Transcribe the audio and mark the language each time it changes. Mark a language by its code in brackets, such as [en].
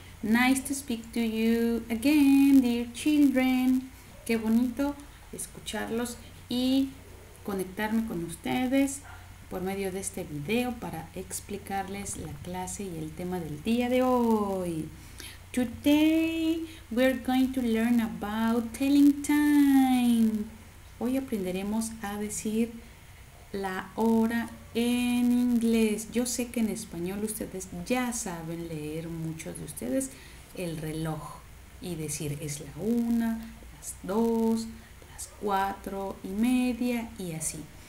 [en] Nice to speak to you again, dear children. [es] Qué bonito escucharlos y conectarme con ustedes por medio de este video para explicarles la clase y el tema del día de hoy. [en] Today we're going to learn about telling time. [es] Hoy aprenderemos a decir la hora en inglés. Yo sé que en español ustedes ya saben leer, muchos de ustedes, el reloj y decir es la una, las dos, las 4:30 y así.